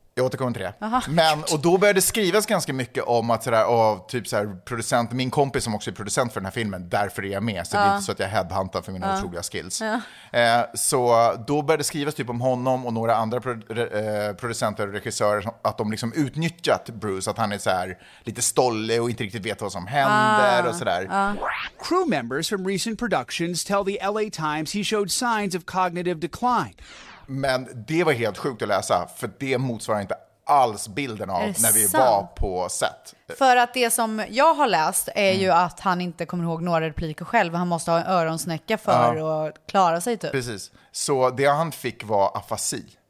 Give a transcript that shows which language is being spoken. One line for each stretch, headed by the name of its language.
Swedish: Jag återkommer till det. Men, och då började skrivas ganska mycket om att så där, av typ så här, producent, min kompis som också är producent för den här filmen, därför är jag med. Så det är inte så att jag headhuntar för mina otroliga skills. Så då började skrivas typ om honom och några andra producenter och regissörer att de liksom utnyttjat Bruce, att han är så här, lite stollig och inte riktigt vet vad som händer och sådär.
English: Crew members from recent productions tell the LA Times he showed signs of cognitive decline.
Swedish: Men det var helt sjukt att läsa, för det motsvarar inte alls bilden av när vi var på set. För att det som jag har läst är ju att han inte kommer ihåg några repliker själv. Han måste ha en öronsnäcka för att klara sig typ. Precis. Så det han fick var afasi.